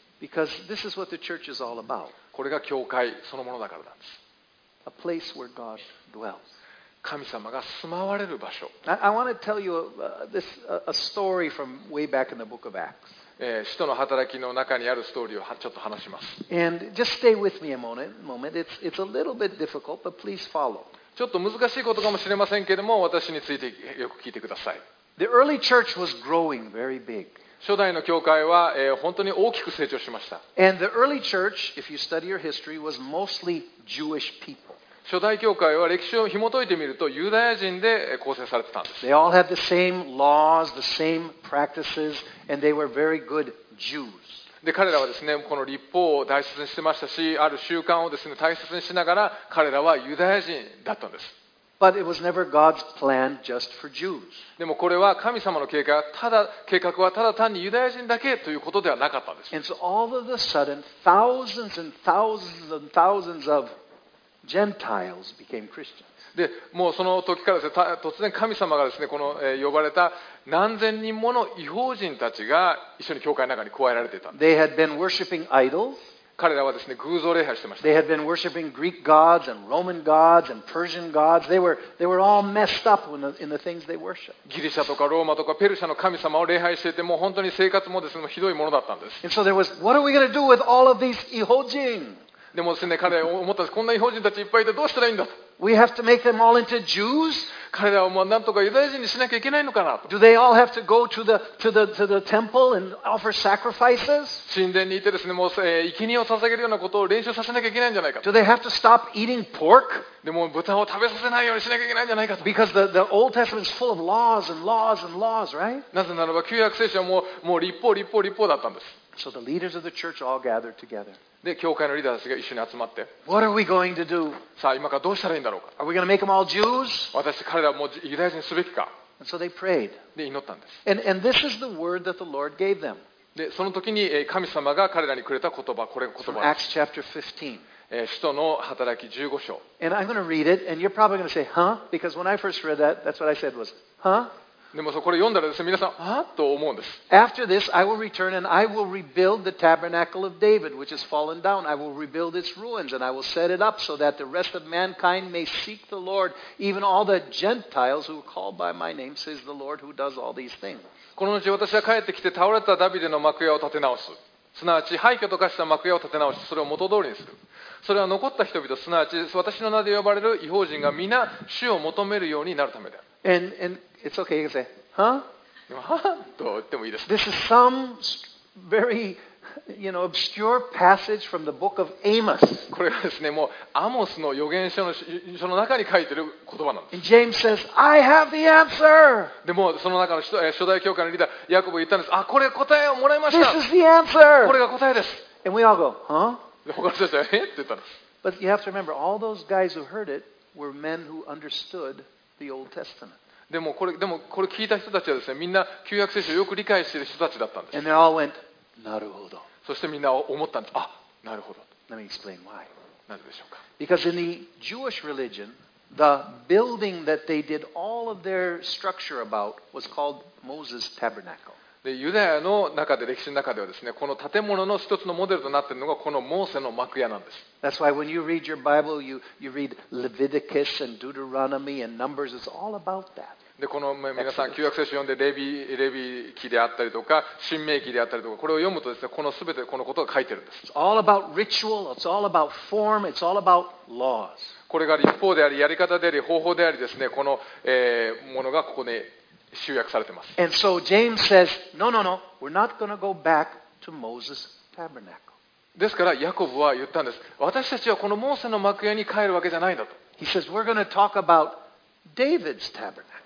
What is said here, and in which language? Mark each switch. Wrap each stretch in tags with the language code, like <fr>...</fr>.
<en>Because this is what the church is all about.</en> <ja>これが教会そのものだからなんです。</ja> <en>A place where God dwells.</en> <ja>神様が住まわれる場所。</ja> <en>I want to tell you a story from way back in the book of Acts.</en> <ja>使徒の働きの中にあるストーリーをちょっと話します。</ja> <en>And just stay with me a moment. It's a little bit difficult, but please follow.</en> <ja>ちょっと難しいことかもしれませんけれども、私についてよく聞いてください。</ja> <en>The early church was growing very big.</en> <ja>初代の教会は、本当に大きく成長しました。</ja> <en>And the early church, if you study your history, was mostly Jewish people.</en> <ja>初代教会は歴史を紐解いてみるとユダヤ人で構成されてたんです。</ja> <en>They all had the same laws, the same practices, and they were very good Jews.</en> <ja>で彼らはですね、この立法を大切にしてましたし、ある習慣をですね、大切にしながら、彼らはユダヤ人だったんです。</ja> <en>But it was never God's plan just for Jews.</en> <ja>でもこれは神様の計画はただ単にユダヤ人だけということではなかったんです。</ja> <en>And so all of a sudden, thousands and thousands and thousands of Gentiles became Christians.</en> <ja>でもうその時からですね、突然神様がですね、この、呼ばれた何千人もの異邦人たちが一緒に教会の中に加えられていたんです。</ja> <en>They had been worshiping idols.</en> <ja>彼らはですね、偶像礼拝してました。</ja> <en>They had been worshiping Greek gods and Roman gods and Persian gods. They were all messed up in the things they worshiped.</en> <ja>ギリシャとかローマとかペルシャの神様を礼拝していて、もう本当に生活もですね、ひどいものだったんです。</ja> <en>And so there was, what are we going to do with all of these</en> <ja>異邦人? でもですね、彼は思ったんです。こんな異邦人たちいっぱいいてどうしたらいいんだと。</ja> <en>We have to make them all into Jews?</en> <ja>彼らはもう何とかユダヤ人にしなきゃいけないのかなと。</ja> <en>Do they all have to go to the temple and offer sacrifices?</en> <ja>神殿にいてですね、もう生贄を捧げるようなことを練習させなきゃいけないんじゃないかと。</ja> <en>Do they have to stop eating pork?</en> <ja>でも豚を食べさせないようにしなきゃいけないんじゃないかと。</ja> <en>Because the Old Testament is full of laws and laws and laws, right?</en> <ja>なぜならば旧約聖書はもう立法立法立法だったんです。</ja> <en>So the leaders of the church all gathered together.</en> <ja>で教会のリーダーたちが一緒に集まって、</ja> <en>What are we going to do?</en> <ja>さあ今からどうしたらいいんだろうか。</ja> <en>Are we going to make them all Jews?</en> <ja>私彼らもユダヤ人すべきか。</ja> <en>And so they prayed.</en> <ja>で祈ったんです。</ja> <en>And this is the word that the Lord gave them.</en> <ja>でその時に神様が彼らにくれた言葉、これが言葉です。</ja> <en>From Acts chapter 15.</en> <ja>使徒の働き15章。</ja> <en>And I'm going to read it, and you're probably going to say, huh? Because when I first read that, that's what I said was, huh?</en> <ja>でもこれ読んだらですね、皆さん、あっと思うんです。</ja> <en>After this, I will return and I will rebuild the tabernacle of David, which has fallen down. I will rebuild its ruins and I will set it up so that the rest of mankind may seek the Lord, even all the Gentiles who are called by my name, says the Lord who does all these things.</en> <ja>この後、私は帰ってきて倒れたダビデの幕屋を建て直す。すなわち、廃墟と化した幕屋を建て直し、それを元通りにする。それは残った人々、すなわち、私の名で呼ばれる異邦人が皆、主を求めるようになるためである。</ja> <en>And it's okay, you can say, huh?</en> <ja>と言ってもいいです。</ja> <en>This is some very, you know, obscure passage from the book of Amos.</en> <ja>これはですね、もうアモスの預言書の中に書いてる言葉なんです。</ja> <en>And James says, I have the answer!</en> <ja>でもその中の初代教会のリーダー、ヤコブ言ったんです。あ、これ答えをもらいました。</ja> <en>This is the answer!</en> <ja>これが答えです。</ja> <en>And we all go, huh?</en> <ja>で他の人たちは、って言ったんです。</ja> <en>But you have to remember, all those guys who heard it were men who understood the Old Testament.</en> <ja>でもこれ聞いた人たちはですね、みんな旧約聖書をよく理解している人たちだったんです。</ja> <en>And they all went,</en> <ja>なるほど。そしてみんな思ったんです。あ、なるほど。</ja> <en>Let me explain why.</en> <ja>なぜでしょうか。</ja> <en>Because in the Jewish religion, the building that they did all of their structure about was called Moses' Tabernacle.</en> <ja>で、ユダヤの中で、歴史の中ではですね、この建物の一つのモデルとなっているのが、このモーセの幕屋なんです。</ja> <en>That's why when you read your Bible, you read Leviticus and Deuteronomy and Numbers. It's all about that.</en> <ja>で、この皆さん旧約聖書を読んでレビ記であったりとか申命記であったりとか、これを読むとですね、この全てこのことが書いてるんです。</ja> <en>It's all about ritual. It's all about form. It's all about laws.</en> <ja>これが立法であり、やり方であり、方法でありですね、この、ものがここに集約されてます。</ja> <en>And so James says, no, we're not going to go back to Moses' tabernacle.</en> <ja>ですからヤコブは言ったんです。私たちはこのモーセの幕屋に帰るわけじゃないんだと。</ja> <en>He says, we're going to talk about David's tabernacle.</en>